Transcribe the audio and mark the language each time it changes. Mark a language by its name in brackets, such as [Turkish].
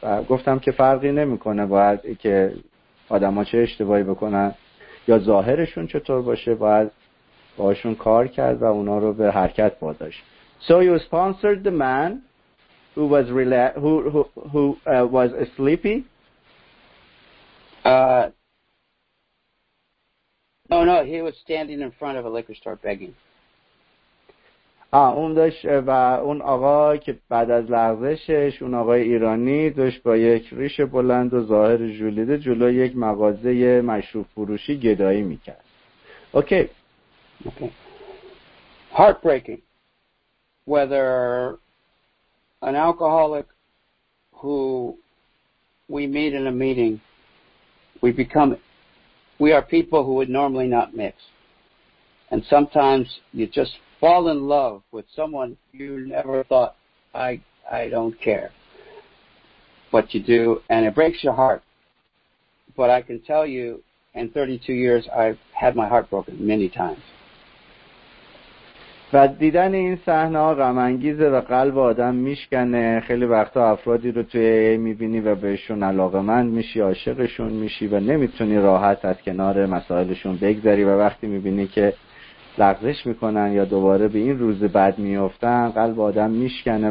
[Persian] و گفتم که فرقی نمیکنه باید که آدم ها چه اشتباهی بکنن یا ظاهرشون چطور باشه، باید باشون کار کرد و اونا رو به حرکت باداشت. [English] So you sponsored the man who was sleepy. No, he was standing in front of a liquor store begging. [Persian] اون داشت و اون آقا که بعد از لغزشش، اون آقای ایرانی داشت با یک ریش بلند و ظاهر جولیده جلوی یک مغازه مشروب فروشی گدایی میکرد. [English] Okay. Heartbreaking. Whether an alcoholic who we meet in a meeting, we are people who would normally not mix. And sometimes you just fall in love with someone you never thought, I don't care what you do, and it breaks your heart. But I can tell you, in 32 years, I've had my heart broken many times. [Persian] و دیدن این صحنه غم انگیزه و قلب آدم میشکنه. خیلی وقتا افرادی رو توی ای میبینی و بهشون علاقمند میشی، عاشقشون میشی و نمیتونی راحت از کنار مسائلشون بگذری، و وقتی میبینی که لغزش میکنن یا دوباره به این روز بد میافتن، قلب آدم میشکنه.